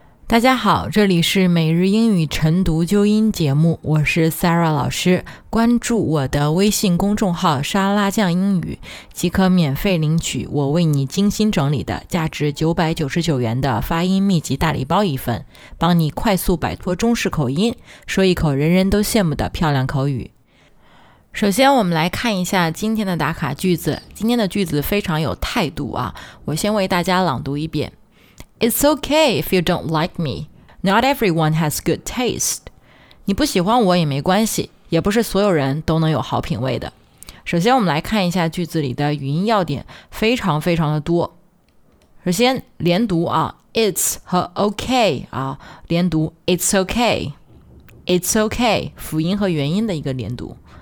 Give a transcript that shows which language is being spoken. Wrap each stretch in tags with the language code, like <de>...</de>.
<zh>大家好，这里是每日英语晨读纠音节目，我是 Sarah 老师，关注我的微信公众号沙拉酱英语，即可免费领取我为你精心整理的价值999元的发音秘籍大礼包一份，帮你快速摆脱中式口音，说一口人人都羡慕的漂亮口语。首先我们来看一下今天的打卡句子，今天的句子非常有态度啊，我先为大家朗读一遍。</zh> <en>It's okay if you don't like me. Not everyone has good taste.</en> <zh>你不喜欢我也没关系，也不是所有人都能有好品味的。首先我们来看一下句子里的语音要点，非常非常的多。首先连读啊， it's 和 okay 啊，连读</zh> <en>it's okay, it's okay,</en> <zh>辅音和元音的一个连读。</zh>